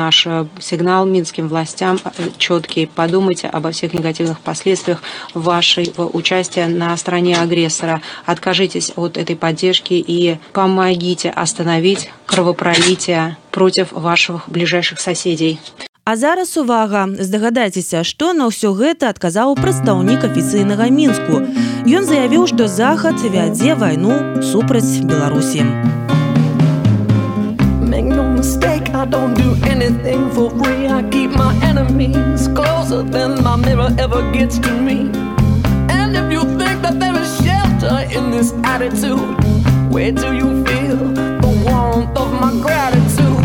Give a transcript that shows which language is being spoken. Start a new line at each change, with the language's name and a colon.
Russian: Наш сигнал минским властям четкий. Подумайте обо всех негативных последствиях вашего участия на стороне агрессора. Откажитесь от этой поддержки и помогите остановить кровопролитие против ваших ближайших соседей.
Belarusian: А зараз увага. Здагадайтеся, што на ўсё гэта адказаў прадстаўнік афіцыйнага Мінску. Ён заявіў, што Захад вядзе вайну супраць Беларусі.
English: Make no mistake, I don't do anything for free. I keep my enemies closer than my mirror ever gets to me. And if you think that there is shelter in this attitude, where do you feel the warmth of my gratitude?